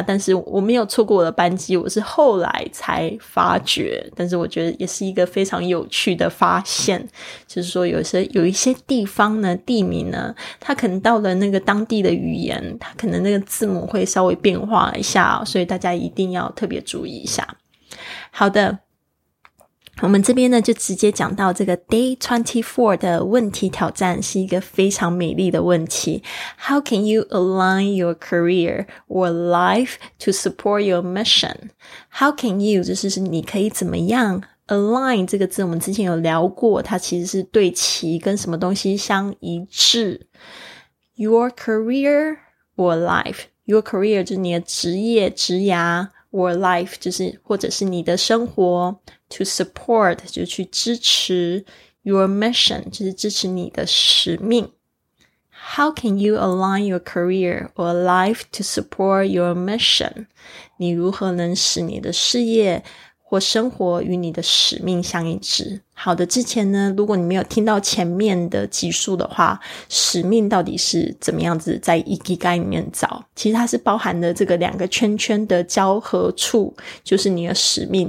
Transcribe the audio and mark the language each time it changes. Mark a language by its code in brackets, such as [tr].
[zh] 但是我没有错过我的班机，我是后来才发觉，但是我觉得也是一个非常有趣的发现，就是说有一些地方呢，地名呢，它可能到了那个当地的语言，它可能那个字母会稍微变化一下，所以大家一定要特别注意一下。好的，我们这边呢就直接讲到这个 Day 24的问题挑战，是一个非常美丽的问题。 [en] How can you align your career or life to support your mission? How can you [zh] 就是你可以怎么样， align 这个字我们之前有聊过，它其实是对齐，跟什么东西相一致。 [en] Your career or life, your career [zh] 就是你的职业职涯， [en] or life [zh] 就是或者是你的生活， [en] to support [zh] 就去支持， [en] your mission [zh] 就是支持你的使命。 [en] How can you align your career or life to support your mission? [zh] 你如何能使你的事业或生活与你的使命相一致？好的，之前呢，如果你没有听到前面的集数的话，使命到底是怎么样子在 Ikigai 里面找，其实它是包含了这个两个圈圈的交合处，就是你的使命。